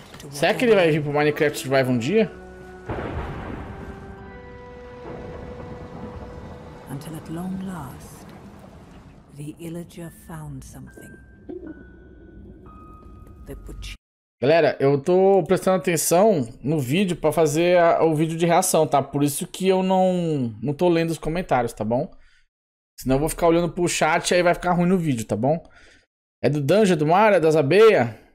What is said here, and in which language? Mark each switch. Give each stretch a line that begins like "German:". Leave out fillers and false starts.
Portuguese: Será que ele vai vir pro Minecraft Survive um dia?
English: Until at long last, the illager found something.
Portuguese: Galera, eu tô prestando atenção no vídeo pra fazer o vídeo de reação, tá? Por isso que eu não tô lendo os comentários, tá bom? Senão eu vou ficar olhando pro chat e aí vai ficar ruim no vídeo, tá bom? É do Dungeon, do mar, é das abeias?